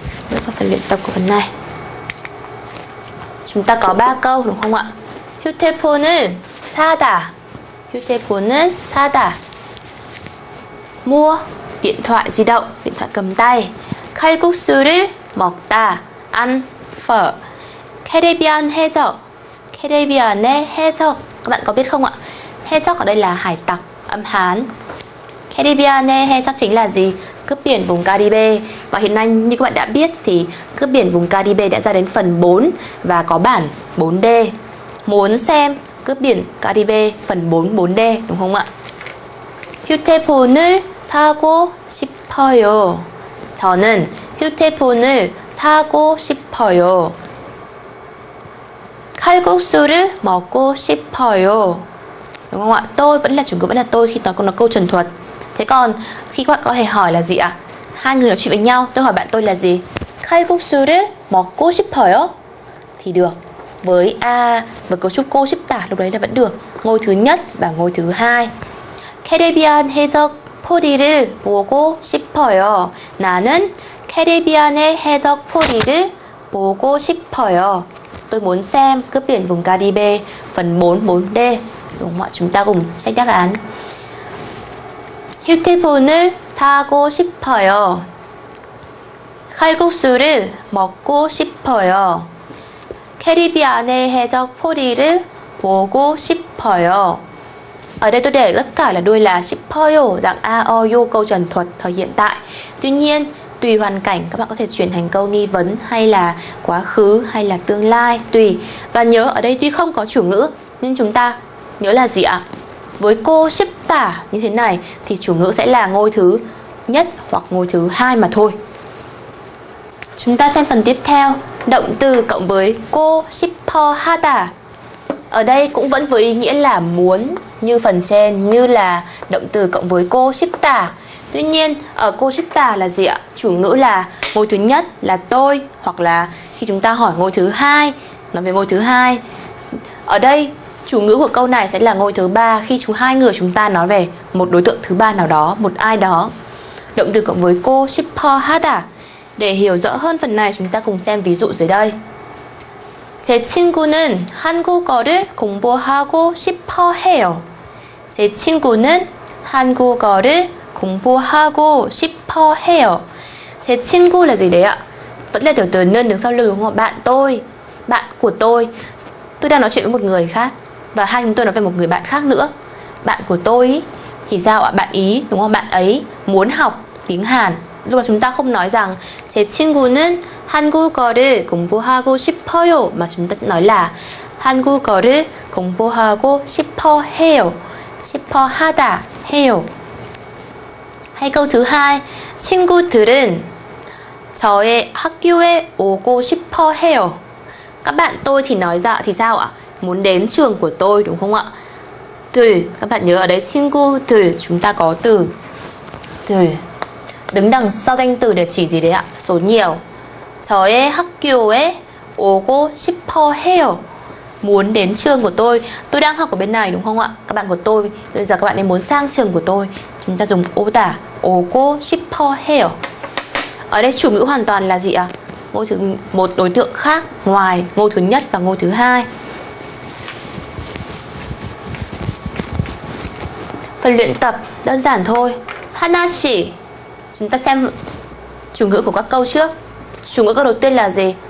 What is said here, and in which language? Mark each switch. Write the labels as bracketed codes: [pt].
[vi] Bước vào phần luyện tập của phần này. Chúng ta có 3 câu đúng không ạ? [ko] 휴대폰은 사다. 휴대폰은 사다. [vi] Mua, điện thoại di động, điện thoại cầm tay. [ko] 칼국수를 먹다, [vi] ăn phở. [ko] 캐리비안 해적, Caribbean 해적. [vi] Các bạn có biết không ạ? 해적 ở đây là hải tặc, âm Hán. Caribbean 해적 chính là gì? Cướp biển vùng Caribe. Và hiện nay như các bạn đã biết thì cướp biển vùng Caribe đã ra đến phần 4 và có bản 4D. Muốn xem cướp biển Caribe phần 4, 4D đúng không ạ? [ko] 휴대폰을 사고 싶어요. 저는 휴대폰을 사고 싶어요. 칼국수를 먹고 싶어요. [vi] Đúng không ạ? Tôi vẫn là chủ ngữ, vẫn là tôi khi nói con là câu trần thuật. Thế còn khi các bạn có thể hỏi là gì ạ? Hai người nói chuyện với nhau, tôi hỏi bạn tôi là gì? [ko] 칼국수를 먹고 싶어요. [vi] Thì được. với a và cấu trúc cô chấp tả lúc đấy là vẫn được. Ngôi thứ nhất và ngôi thứ hai. [ko] 캐리비안 해적 포디를 보고 싶어요. 나는 캐리비안의 해적 포디를 보고 싶어요. [vi] Tôi muốn xem cướp biển vùng Caribe phần 4, 4D. Đúng không ạ? Chúng ta cùng xem đáp án. [ko] 휴대폰을 사고 싶어요. 칼국수를 먹고 싶어요. 캐리비안의 해적 포디를 보고 싶어요. [vi] Ở đây tôi để tất cả là đuôi là 싶어요, dạng a o u, câu trần thuật thời hiện tại. Tuy nhiên, tùy hoàn cảnh các bạn có thể chuyển thành câu nghi vấn hay là quá khứ hay là tương lai, tùy. Và nhớ ở đây tuy không có chủ ngữ nhưng chúng ta nhớ là gì ạ? Với cô 싶다 như thế này thì chủ ngữ sẽ là ngôi thứ nhất hoặc ngôi thứ hai mà thôi. Chúng ta xem phần tiếp theo, động từ cộng với cô 싶어하다. Ở đây cũng vẫn với ý nghĩa là muốn như phần trên, như là động từ cộng với cô 싶다. Tuy nhiên, ở cô 싶다 là gì ạ? Chủ ngữ là ngôi thứ nhất là tôi, hoặc là khi chúng ta hỏi ngôi thứ hai, nói về ngôi thứ hai. Ở đây, chủ ngữ của câu này sẽ là ngôi thứ ba khi hai người chúng ta nói về một đối tượng thứ ba nào đó, một ai đó. Động từ cộng với cô 싶어하다. Để hiểu rõ hơn phần này, chúng ta cùng xem ví dụ dưới đây. [ko] 제 친구는 한국어를 공부하고 싶어 해요. 제 친구는 한국어를 공부하고 싶어 해요. 제 친구 [vi] là gì đấy ạ? Vẫn là tiểu từ는 đứng sau lưng đúng không ạ? Bạn tôi, bạn của tôi. Tôi đang nói chuyện với một người khác và hai chúng tôi nói về một người bạn khác nữa. Bạn của tôi thì sao ạ? Bạn ý đúng không? Bạn ấy muốn học tiếng Hàn. Lúc đó chúng ta không nói rằng [ko] 제 친구는 한국어를 공부하고 싶어요, [vi] mà chúng ta sẽ nói là [ko] 한국어를 공부하고 싶어 해요, 싶어 하다 해요. [vi] Hay câu thứ hai, [ko] 친구들은 저의 학교에 오고 싶어 해요. [vi] Các bạn tôi thì nói dạ thì sao ạ? Muốn đến trường của tôi đúng không ạ? 들, các bạn nhớ ở đây 친구들, chúng ta có từ 들 đứng đằng sau danh từ để chỉ gì đấy ạ? Số nhiều. [ko] 저의 학교에 오고 싶어 해요. [vi] Muốn đến trường của tôi đang học ở bên này đúng không ạ? Các bạn của tôi, bây giờ các bạn ấy muốn sang trường của tôi. Chúng ta dùng [ko] 오다, 오고 싶어 해요. [vi] Ở đây chủ ngữ hoàn toàn là gì ạ? Ngôi thứ một, đối tượng khác ngoài ngôi thứ nhất và ngôi thứ hai. Phần luyện tập đơn giản thôi. [ko] 하나씩. [vi] Chúng ta xem chủ ngữ của các câu trước. Chủ ngữ câu đầu tiên là gì?